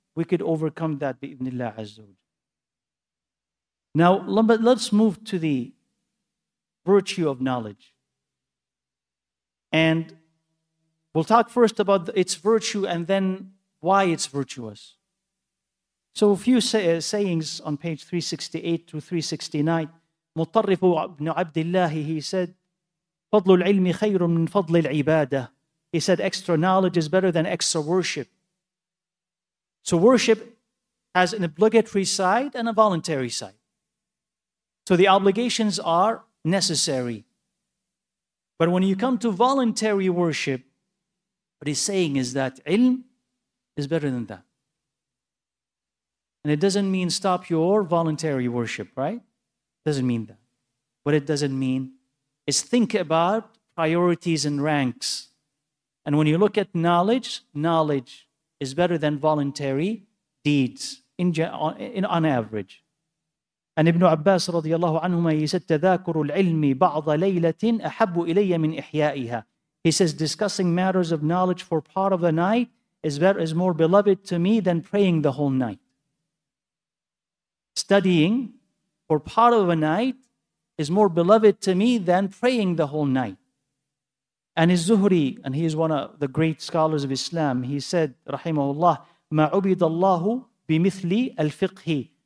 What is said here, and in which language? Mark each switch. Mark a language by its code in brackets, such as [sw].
[en] We could overcome that bi idhnillah Azza wa Jal. Now, let's move to the virtue of knowledge. And we'll talk first about its virtue and then why it's virtuous. So a few sayings on page 368 to 369. [ar] مطرف بن عبد الله, [en] he said, [ar] فضل العلم خير من فضل العبادة. [en] He said, extra knowledge is better than extra worship. So worship has an obligatory side and a voluntary side. So the obligations are necessary. But when you come to voluntary worship, what he's saying is that ilm is better than that. And it doesn't mean stop your voluntary worship, right? It doesn't mean that. What it doesn't mean is think about priorities and ranks. And when you look at knowledge, knowledge is better than voluntary deeds on average. And Ibn Abbas radiallahu anhuma, he said, [ar] تَذَاكُرُ الْعِلْمِ بَعْضَ لَيْلَةٍ أَحَبُّ إِلَيَّ مِنْ إِحْيَائِهَا. [en] He says, discussing matters of knowledge for part of the night is more beloved to me than praying the whole night. Studying for part of a night is more beloved to me than praying the whole night. And Az-Zuhri, and he is one of the great scholars of Islam, he said, [ar] رحمه مَعُبِدَ اللَّهُ بِمِثْلِ الْفِقْهِ.